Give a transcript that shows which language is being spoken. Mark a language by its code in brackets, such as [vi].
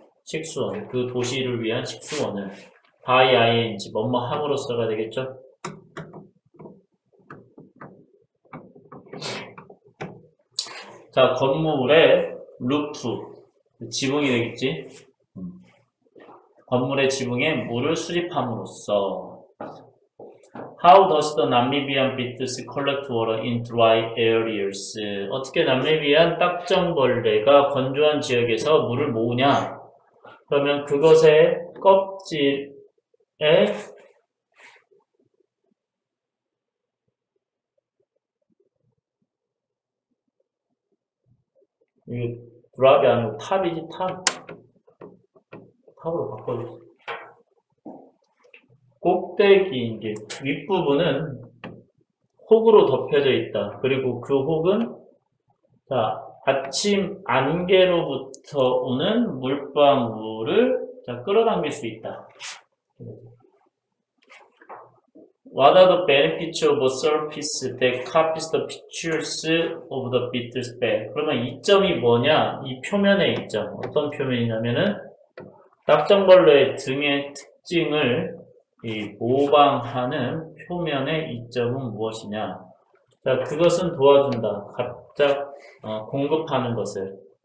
[ko] 식수원, 그 도시를 위한 식수원을 by ing, 뭐뭐 함으로써가 되겠죠. 자, 건물의 루프, 지붕이 되겠지. 건물의 지붕에 물을 수집함으로써. [en] How does the Namibian beetles collect water in dry areas? [ko] 어떻게 남미비안 딱정벌레가 건조한 지역에서 물을 모으냐? 그러면 그것의 껍질에 이 드랍이 아니고 탑이지, 탑. 탑으로 바꿔주세요. 꼭대기, 이게 윗부분은 혹으로 덮여져 있다. 그리고 그 혹은, 자, 받침 안개로부터 오는 물방울을, 자, 끌어당길 수 있다. [en] What are the benefits of a surface that copies the features of the beetle's back? [ko] 그러면 이점이 뭐냐? 이 표면의 이점. 어떤 표면이냐면은 딱정벌레의 등의 특징을 이 모방하는 표면의 이점은 무엇이냐? 자, 그것은 도와준다. 갑작 공급하는 것을.